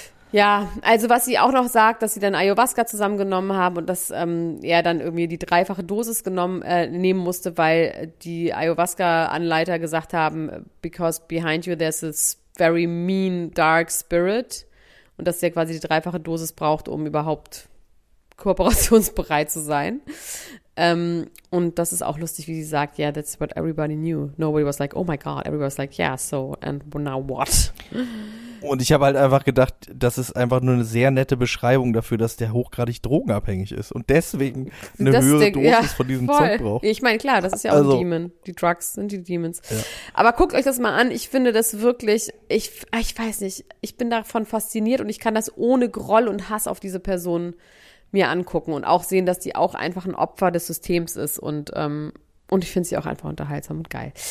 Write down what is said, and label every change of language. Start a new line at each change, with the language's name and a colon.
German: Ja, also was sie auch noch sagt, dass sie dann Ayahuasca zusammengenommen haben und dass er dann irgendwie die dreifache Dosis nehmen musste, weil die Ayahuasca-Anleiter gesagt haben,
English: because behind you there's this very mean, dark spirit
German: und dass der quasi die dreifache Dosis braucht, um überhaupt kooperationsbereit zu sein. Und das ist auch lustig, wie sie sagt,
English: yeah, that's what everybody knew. Nobody was like, oh my god, everybody was like, yeah, so, and now what?
German: Und ich habe halt einfach gedacht, das ist einfach nur eine sehr nette Beschreibung dafür, dass der hochgradig drogenabhängig ist und deswegen eine das höhere Dosis von diesem voll. Zeug braucht. Ich meine, klar, das ist ja auch ein Demon. Die Drugs sind die Demons. Ja. Aber guckt euch das mal an. Ich finde das wirklich, ich weiß nicht, ich bin davon fasziniert und ich kann das ohne Groll und Hass auf diese Person mir angucken und auch sehen, dass die auch einfach ein Opfer des Systems ist und ich finde sie auch einfach unterhaltsam und geil.